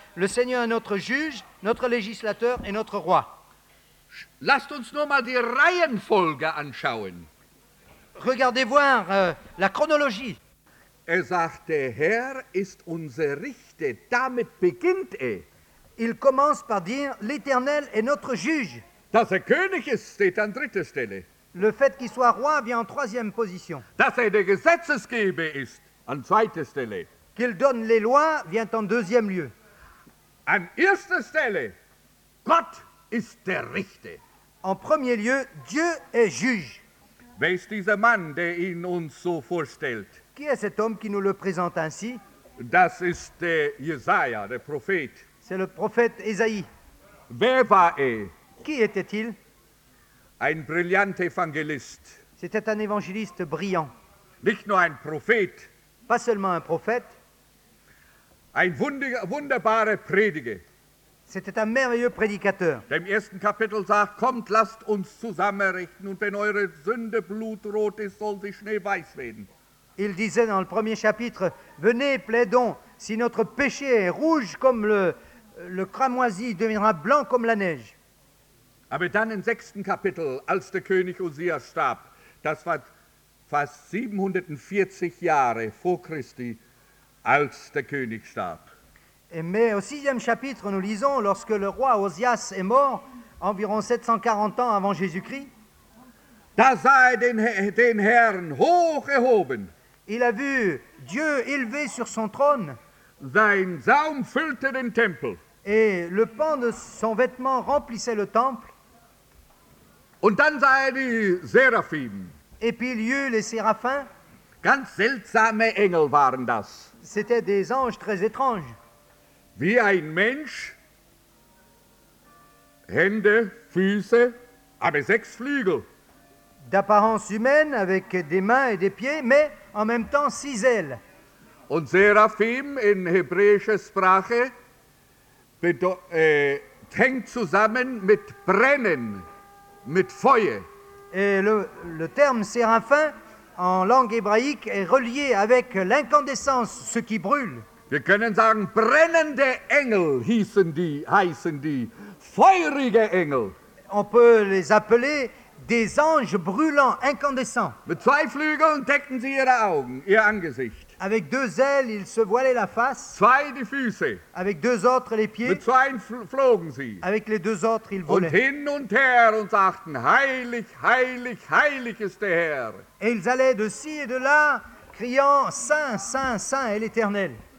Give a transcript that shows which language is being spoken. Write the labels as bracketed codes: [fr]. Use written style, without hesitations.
[fr] Le Seigneur est notre juge, notre législateur et notre roi. [de] Lasst uns nur mal die Reihenfolge anschauen. [fr] Regardez voir la chronologie. [de] Er sagt, der Herr ist unser Richter. Damit beginnt er. [fr] Il commence par dire, l'Éternel est notre juge. [de] Dass er König ist, steht an dritter Stelle. [fr] Le fait qu'il soit roi vient en troisième position. [de] Dass er der Gesetzesgeber ist, an zweiter Stelle. [fr] Qu'il donne les lois vient en deuxième lieu. [de] An erster Stelle, Gott ist der Richter. [fr] En premier lieu, Dieu est juge. [de] Wer ist dieser Mann, der ihn uns so vorstellt? [fr] Qui est cet homme qui nous le présente ainsi? [de] Das ist der Jesaja, der Prophet. [fr] C'est le prophète Esaïe. [de] Wer war er? [fr] Qui était-il? [de] Ein brillanter Evangelist. [fr] C'était un évangéliste brillant. [de] Nicht nur ein Prophet. [fr] Pas seulement un prophète. [de] Ein wunderbarer Prediger. [fr] C'était un merveilleux prédicateur. [de] Der im ersten Kapitel sagt, kommt, lasst uns zusammenrichten, und wenn eure Sünde blutrot ist, soll sie schneeweiß werden. [fr] Il disait dans le premier chapitre, venez, plaidons, si notre péché est rouge comme le cramoisi, deviendra blanc comme la neige. [de] Aber dann im sechsten Kapitel, als der König Uzzia starb, das war fast 740 Jahre vor Christi, als der König starb. [fr] Mais au sixième chapitre, nous lisons, lorsque le roi Ozias est mort, environ 740 ans avant Jésus-Christ, [de] da sah er den Herrn hoch erhoben. [fr] Il a vu Dieu élevé sur son trône. [de] Sein Saum füllte den Tempel. [fr] Et le pan de son vêtement remplissait le temple. [de] Und dann sah er die Seraphim. [fr] Et puis il y eut les Séraphins. [de] Ganz seltsame Engel waren das. [fr] C'était des anges très étranges. [de] Wie ein Mensch. Hände, Füße, aber sechs Flügel. [fr] D'apparence humaine, avec des mains et des pieds, mais en même temps six ailes. [de] Und Seraphim in hebräischer Sprache hängt zusammen mit brennen, mit Feuer. [fr] Et le terme séraphin en langue hébraïque est relié avec l'incandescence, ce qui brûle. [de] Wir können sagen, brennende Engel heißen die, feurige Engel. [fr] On peut les appeler des anges brûlants, incandescents. [de] Mit zwei Flügeln deckten sie ihre Augen, ihr Angesicht. [fr] Avec deux ailes, il se voilait la face. [de] Zwei die Füße. [fr] Avec deux autres, les pieds. [de] Mit zweien flogen sie. [fr] Avec les deux autres, il volait. [de] Und hin und her und sagten, heilig, heilig, heilig ist der Herr. [fr] Et ils allaient de ci et de là, criant, saint, saint, saint est l'Éternel.